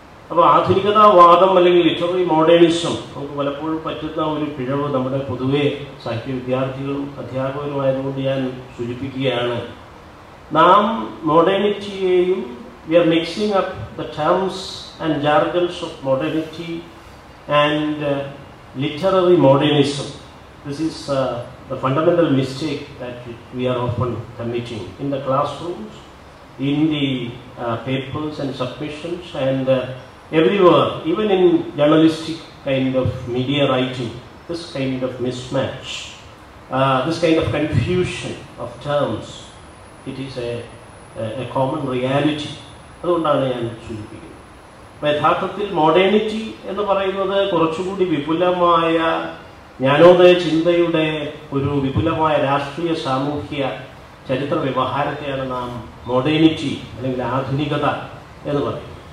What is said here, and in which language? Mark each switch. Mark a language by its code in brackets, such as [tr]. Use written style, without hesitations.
[ml] അപ്പോൾ ആധുനികതാവാദം അല്ലെങ്കിൽ literary modernism നമുക്ക് പലപ്പോഴും പറ്റുന്ന ഒരു പിഴവ് നമ്മുടെ പൊതുവെ സാഹിത്യ വിദ്യാർത്ഥികളും അധ്യാപകരുമായതുകൊണ്ട് ഞാൻ സൂചിപ്പിക്കുകയാണ്. നാം മോഡേണിറ്റിയെയും, [en] We are mixing up the terms and jargons of modernity and literary modernism. This is the fundamental mistake that we are often committing in the classrooms, in the papers and submissions and everywhere, even in journalistic kind of media writing, this kind of mismatch, this kind of confusion of terms, it is a common reality. [ml] അതുകൊണ്ടാണ് ഞാൻ സൂചിപ്പിക്കുന്നത്. അപ്പൊ യഥാർത്ഥത്തിൽ modernity എന്ന് പറയുന്നത് കുറച്ചുകൂടി വിപുലമായ ജ്ഞാനോദയ ചിന്തയുടെ ഒരു വിപുലമായ രാഷ്ട്രീയ സാമൂഹ്യ ചരിത്ര വ്യവഹാരത്തെയാണ് നാം മോഡേണിറ്റി അല്ലെങ്കിൽ ആധുനികത എന്ന് പറയുന്നത്.